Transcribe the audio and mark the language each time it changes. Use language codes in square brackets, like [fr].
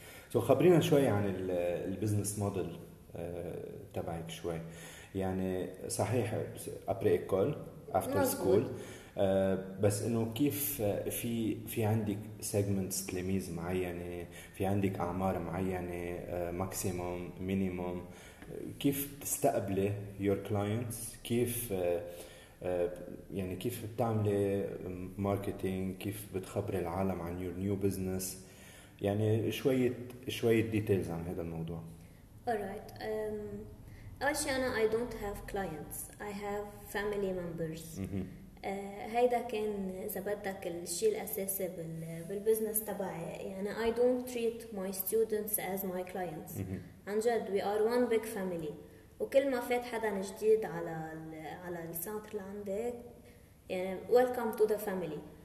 [ar] سو خبرينا شوي عن البزنس موديل تبعك شوي يعني صحيح ابري اكول افتر سكول بس انه كيف في عندك سيجمنتس تلاميذ معينه في عندك اعمار معينه ماكسيموم مينيموم كيف تستقبلي يور كلاينتس كيف يعني كيف بتعملي ماركتينج كيف بتخبري العالم عن يور نيو بزنس يعني شويه ديتيلز عن هذا الموضوع. [en] alright [ar] اول شيء انا [en] I don't have clients I have family members. [ar] هيدا كان إذا بدك الشيء الأساسي بالبزنس تبعي يعني [en] I don't treat my students as my clients. [ar] عن جد [en] we are one big family [ar] وكل ما فات حدا جديد على السنتر عندي يعني [en] welcome to the family.